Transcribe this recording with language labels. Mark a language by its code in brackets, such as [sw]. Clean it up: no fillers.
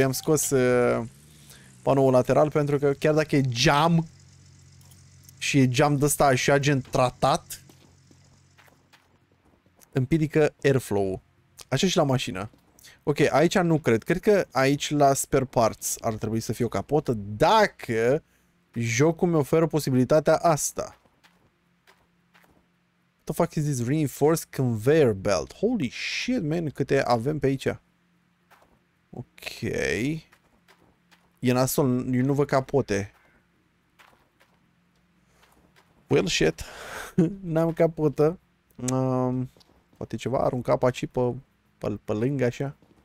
[ro] I-am scos panoul lateral, pentru că chiar dacă e geam și e geam de ăsta așa gen tratat, împiedică airflow-ul. Așa și la mașină. Ok, aici nu cred. Cred că aici la spare parts ar trebui să fie o capotă, dacă jocul mi oferă posibilitatea asta. [en] What the fuck is this reinforced conveyor belt? Holy shit, man, [ro] câte avem pe aici. Ok. E nasol, eu nu vă capote. [en] Well, shit. [ro] N-am capotă. Poate ceva, arunc capa și pe lângă așa.